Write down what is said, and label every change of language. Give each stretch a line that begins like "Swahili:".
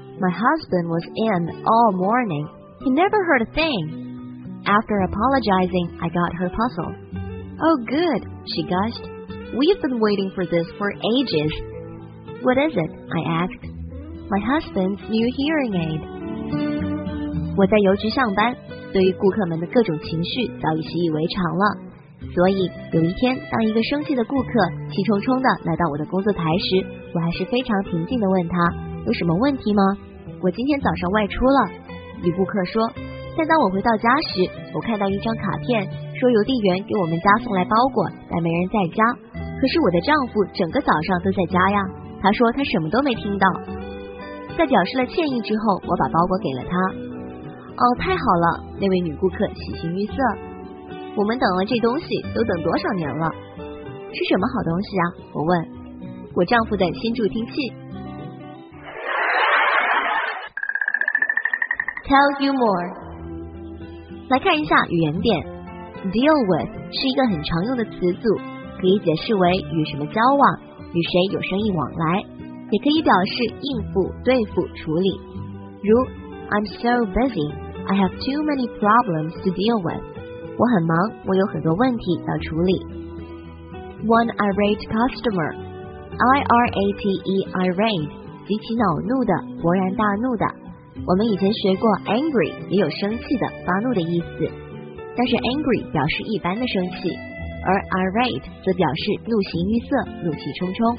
English: My husband was in all morning. He never heard a thing. After apologizing, I got her puzzled. Oh, good, she gushed. We've been waiting for this for ages. What is it? I asked. My husband's new hearing aid.
Chinese: 我在邮局上班，对于顾客们的各种情绪早已习以为常了。所以有一天，当一个生气的顾客气冲冲地来到我的工作台时，我还是非常平静地问他，有什么问题吗？我今天早上外出了，女顾客说。但当我回到家时，我看到一张卡片，说邮递员给我们家送来包裹，但没人在家。可是我的丈夫整个早上都在家呀，他说他什么都没听到。在表示了歉意之后，我把包裹给了他。哦，太好了，那位女顾客喜形于色。我们等了这东西都等多少年了？是什么好东西啊？我问。我丈夫的新助听器。
English: Tell you more.
Chinese: 来看一下语言点 ，deal with 是一个很常用的词组，可以解释为与什么交往，与谁有生意往来，也可以表示应付、对付、处理。
English: 如 ，I'm so busy, I have too many problems to deal with。
Chinese: 我很忙，我有很多问题要处理。 One irate customer, I-R-A-T-E, irate，极其恼怒的，勃然大怒的。我们以前学过 angry 也有生气的发怒的意思，但是 angry 表示一般的生气，而 irate 则表示怒形于色，怒气冲冲。